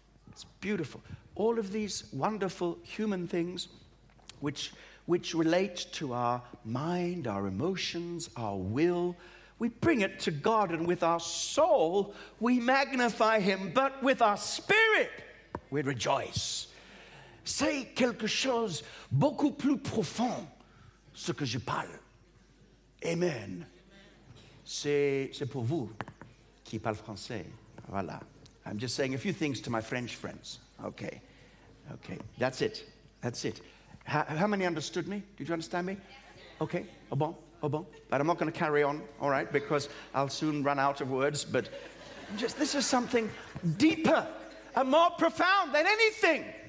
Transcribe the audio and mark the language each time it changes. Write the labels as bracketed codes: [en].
[en] It's beautiful. All of these wonderful human things, which which relate to our mind, our emotions, our will. We bring it to God, and with our soul, we magnify Him. But with our spirit, we rejoice. [fr] C'est quelque chose beaucoup plus profond, ce que je parle. Amen. C'est pour vous qui parle français. Voilà. [en] I'm just saying a few things to my French friends. Okay. Okay. That's it. That's it. How many understood me? Did you understand me? Okay. [fr] Au bon. Au bon. [en] But I'm not going to carry on, all right, because I'll soon run out of words. But just this is something deeper and more profound than anything.